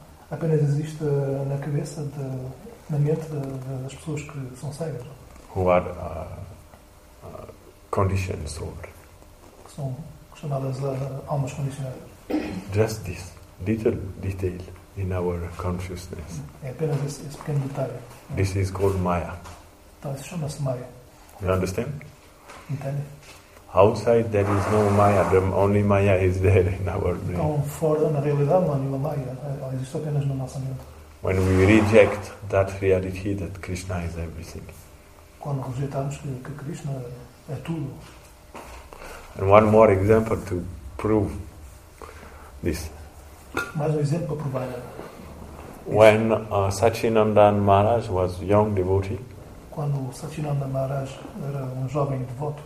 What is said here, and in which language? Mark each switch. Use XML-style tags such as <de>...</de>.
<pt>Apenas existe na cabeça, de, na mente de, das pessoas que são cegas.</pt> <en>Who are conditioned soul.</en> <pt>Que são chamadas almas condicionadas.</pt> <en>Just this little detail in our consciousness.</en> <pt>É apenas esse, esse pequeno detalhe.</pt> <en>This is called Maya.</en> <pt>Então, isso chama-se Maya.</pt> <en>You understand?</en> <pt>Entende?</pt> <en>Outside there is no Maya, the only Maya is there in our brain.</en> <pt>Então, fora, na realidade, não há nenhuma Maya. Ela existe apenas na nossa mente.</pt> <en>When we reject that reality that Krishna is everything.</en> <pt>Quando rejeitamos que Krishna é tudo.</pt> <en>And one more example to prove this.</en> <pt>Mais um exemplo para provar.</pt> <en>When Sachinandan Maharaj was a young devotee.</en> <pt>Quando Sachinandan Maharaj era um jovem devoto.</pt>